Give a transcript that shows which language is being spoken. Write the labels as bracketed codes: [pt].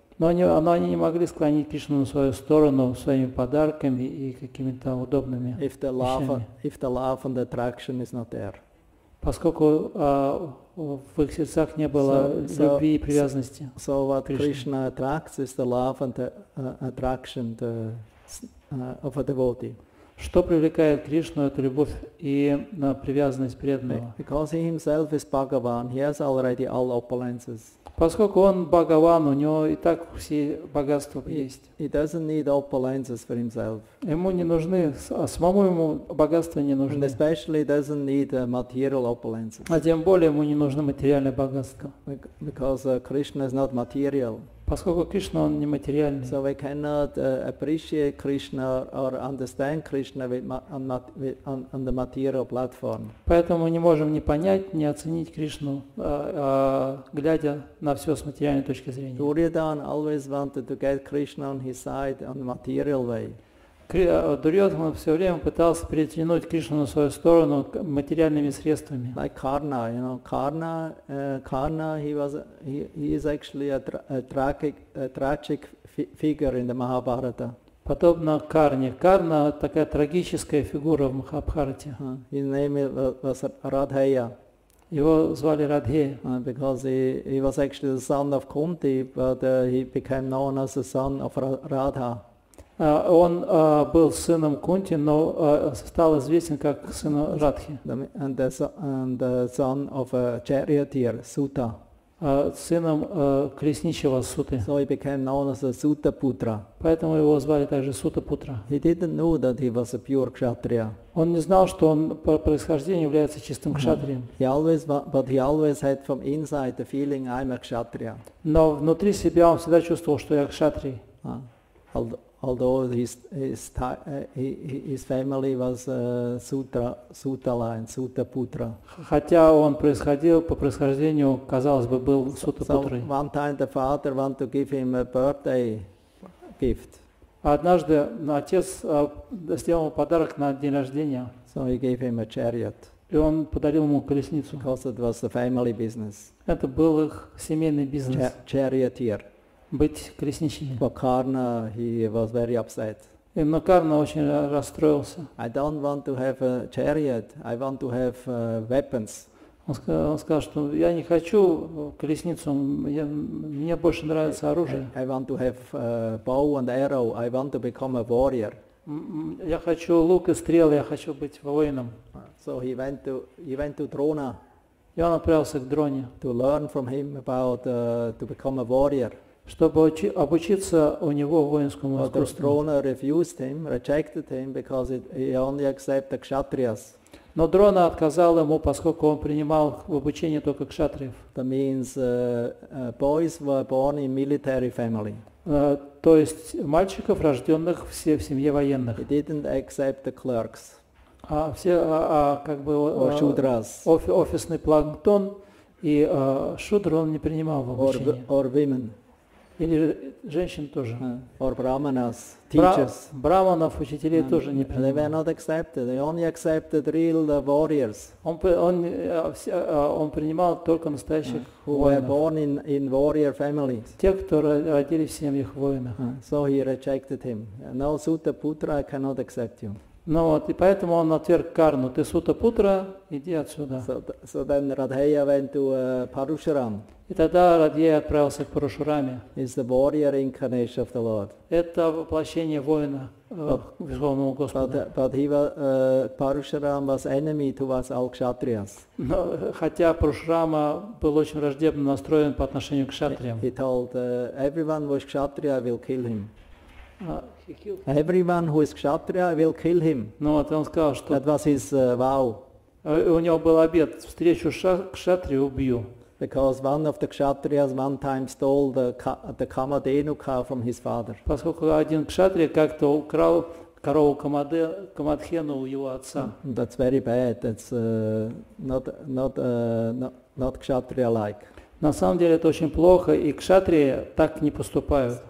[ru] Но они не могли склонить Кришну на свою сторону своими подарками и какими-то удобными вещами. [en] If the love and the attraction is not there. [ru] Поскольку в их сердцах не было любви и привязанности. [en] So what Krishna attracts is the love and the attraction of a devotee. [ru] Что привлекает Кришну, это любовь и привязанность преданного. [en] Because he himself is Bhagavan, he has already all opulences. [ru] Поскольку он Бхагаван, у него и так все богатства есть. [en] He doesn't need opulences for himself. [ru] Ему не нужны, самому ему богатства не нужны. [en] And especially doesn't need material opulences. [ru] А тем более ему не нужны материальные богатства. [en] Because Krishna is not material. [ru] Поскольку Кришна он не материальный. [en] So we cannot appreciate Krishna or understand Krishna on the material platform. [ru] Поэтому мы не можем ни понять, ни оценить Кришну, глядя на все с материальной точки зрения. [en] Duryodhana always wanted to get Krishna on his side on the material way. [ru] Дурьотхана все время пытался перетянуть Кришну на свою сторону материальными средствами. [en] Like Karna, you know, Karna, he is actually a tragic figure in the Mahabharata. [ru] Подобно Карне. Карна такая трагическая фигура в Махабхарате. [en] His name was Радхея. [ru] Его звали Радхея. [en] Because he was actually the son of Kunti, but he became known as the son of Radha. [ru] Он был сыном Кунти, но стал известен как сын Радхи. [en] And the son of a charioteer, Сута. [ru] Сыном колесничего Суты. [en] So he became known as a Sutta Putra. [ru] Поэтому его звали также Сута Путра. [en] He didn't know that he was a pure kshatriya. [ru] Он не знал, что он по происхождению является чистым кшатрием. [en] But he always had from inside the feeling I'm a kshatriya. [ru] Но внутри себя он всегда чувствовал, что я кшатрий. [en] Although his family was Sutala and Sutta Putra. [ru] Хотя он происходил по происхождению, казалось бы, был Сута Путрой. [en] So one time the father wanted to give him a birthday gift. [ru] Однажды отец сделал ему подарок на день рождения. [en] So he gave him a chariot. [ru] И он подарил ему колесницу. [en] Because it was a family business. [ru] Это был их семейный бизнес. [en] Charioteer. [ru] Быть колесничным. [en] But Karna, he was very upset. [ru] Но Карна очень расстроился. [en] I don't want to have a chariot. I want to have weapons. [ru] Он сказал, что я не хочу колесницу. Мне больше нравится оружие. [en] I want to have bow and arrow. I want to become a warrior. [ru] Я хочу лук и стрелы. Я хочу быть воином. [en] So he went to Drona. [ru] И он отправился к Дроне. [en] To learn from him about to become a warrior. [ru] Чтобы обучиться у него воинскому искусству. [en] Drona refused him, rejected him, because he only accepted the kshatriyas. [ru] Но Дрона отказал ему, поскольку он принимал в обучение только кшатриев. [en] That means boys were born in military family. [ru] То есть мальчиков, рожденных все в семье военных. [en] He didn't accept the clerks. Or shudras. [ru] Офисный планктон и шудр он не принимал в обучение. [en] Or women. [ru] Или женщин тоже. [en] Or brahmanas, teachers. [ru] Брахманов, учителей тоже не принимал. [en] They were not accepted. They only accepted real warriors. [ru] Он принимал только настоящих воинов. [en] Who were born in warrior families. [ru] Тех, кто родились в семьях воинов. [en] So he rejected him. No Sutta Putra, I cannot accept you. [ru] Ну вот, и поэтому он отверг карну. Ты Сута Путра, иди отсюда. [en] So then Radheya went to Parushuram. [ru] И тогда Радхея отправился к Парашураме. [en] Is the warrior incarnation of the Lord. [ru] Это воплощение воина Верховного Господа. [en] Parushuram was enemy to us all kshatriyas. [ru] Хотя Парашурама был очень враждебно настроен по отношению к кшатриям. [en] He told everyone who is kshatriya will kill him. Everyone who is kshatriya will kill him. [ru] Ну вот он сказал, что. [en] That was his vow. [ru] У него был обет: встречу кшатрию убью. [en] Because one of the kshatriyas one time stole the kamadenuka from his father. [ru] Поскольку один кшатрия как-то украл корову камадхену у его отца. [en] That's very bad. It's not kshatriya like. [ru] На самом деле это очень плохо, и кшатрии так не поступают.